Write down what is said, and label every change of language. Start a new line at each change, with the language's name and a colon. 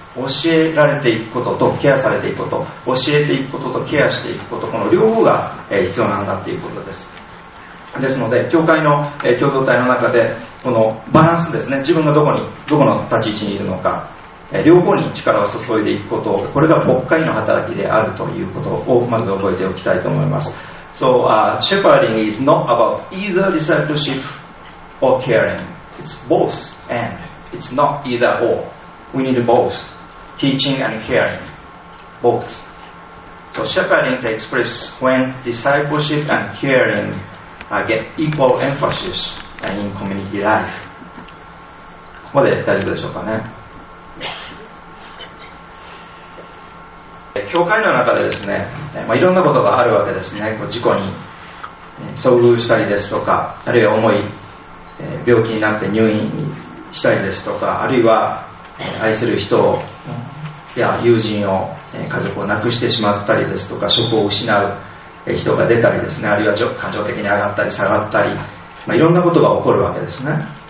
Japanese: 教えられていくこととケアされていくこと、教えていくこととケアしていくこと、この両方が必要なんだということです。ですので教会の共同体の中でこのバランスですね、自分がどこの立ち位置にいるのか、両方に力を注いでいくこと、これが牧会の働きであるということをまず覚えておきたいと思います。
English: So、shepherding is not about either discipleship or caring. It's both and. It's not either or. We need both. Teaching and caring. Both. So shepherding takes place when discipleship and caring、get equal emphasis in community life.
Japanese: ここで大丈夫でしょうかね。教会の中でですね、まあ、いろんなことがあるわけですね。こう事故に遭遇したりですとか、あるいは重い病気になって入院したりですとか、あるいは愛する人をいや友人を家族を亡くしてしまったりですとか、職を失う人が出たりですね、あるいは感情的に上がったり下がったり、まあ、いろんなことが起こるわけですね。